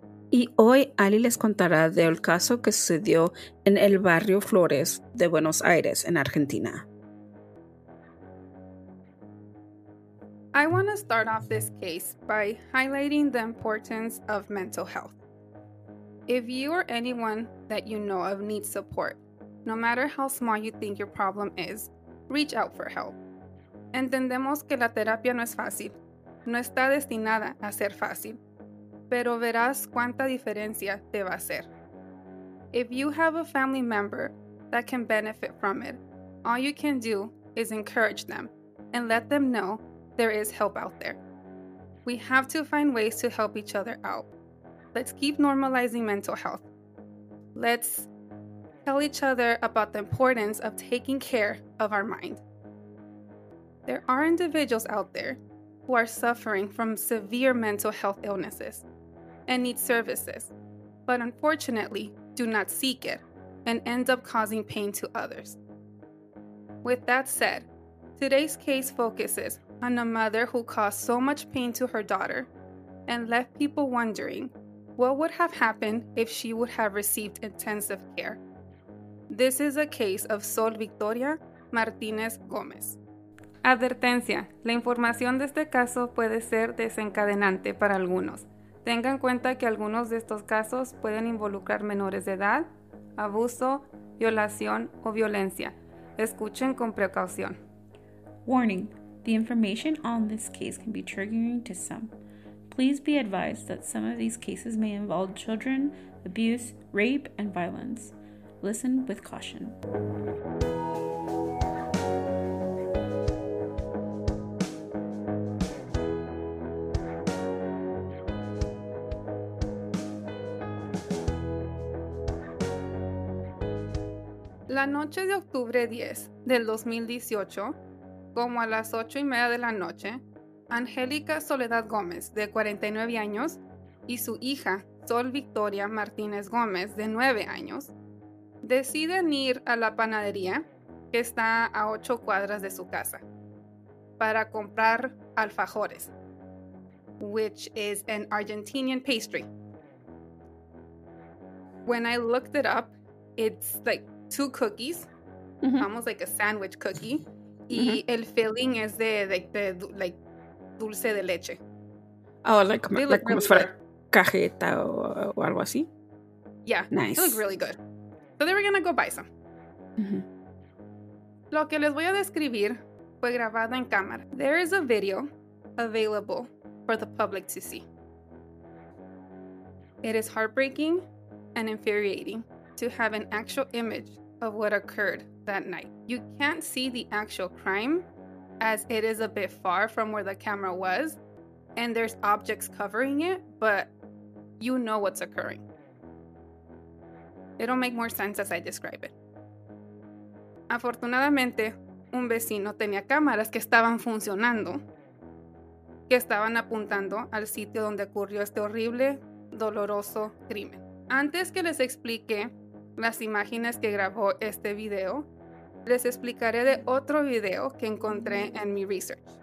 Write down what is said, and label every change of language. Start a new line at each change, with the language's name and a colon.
Spanish: Y hoy Ali les contará del caso que sucedió en el barrio Flores de Buenos Aires, en Argentina.
English: I want to start off this case by highlighting the importance of mental health. If you or anyone that you know of needs support, no matter how small you think your problem is, reach out for help.
Spanish: Entendemos que la terapia no es fácil, no está destinada a ser fácil, pero verás cuánta diferencia te va a hacer.
English: If you have a family member that can benefit from it, all you can do is encourage them and let them know there is help out there. We have to find ways to help each other out. Let's keep normalizing mental health. Let's tell each other about the importance of taking care of our mind. There are individuals out there who are suffering from severe mental health illnesses and need services, but unfortunately do not seek it and end up causing pain to others. With that said, today's case focuses on a mother who caused so much pain to her daughter and left people wondering what would have happened if she would have received intensive care. This is a case of Sol Victoria Martínez Gómez.
Spanish: Advertencia, la información de este caso puede ser desencadenante para algunos. Tengan en cuenta que algunos de estos casos pueden involucrar menores de edad, abuso, violación o violencia. Escuchen con precaución.
English: Warning. The information on this case can be triggering to some. Please be advised that some of these cases may involve children, abuse, rape, and violence. Listen with caution.
Spanish: La noche de octubre 10 del 2018, como a las 8:30 de la noche, Angélica Soledad Gómez, de 49 años, y su hija, Sol Victoria Martínez Gómez, de 9 años, deciden ir a la panadería, que está a 8 cuadras de su casa, para comprar alfajores,
English: which is an Argentinian pastry. When I looked it up, it's like two cookies, almost like a sandwich cookie.
Spanish: Y el filling es de dulce de leche.
English: Oh, like
Spanish: como si fuera cajeta o algo así.
English: Yeah, nice. They look really good. So they were going to go buy some.
Spanish: Lo que les voy a describir fue grabado en cámara.
English: There is a video available for the public to see. It is heartbreaking and infuriating to have an actual image of what occurred that night. You can't see the actual crime, as it is a bit far from where the camera was, and there's objects covering it, but you know what's occurring. It'll make more sense as I describe it.
Spanish: Afortunadamente, un vecino tenía cámaras que estaban funcionando, que estaban apuntando al sitio donde ocurrió este horrible, doloroso crimen. Antes que les explique las imágenes que grabó este video, les explicaré de otro video que encontré en mi research.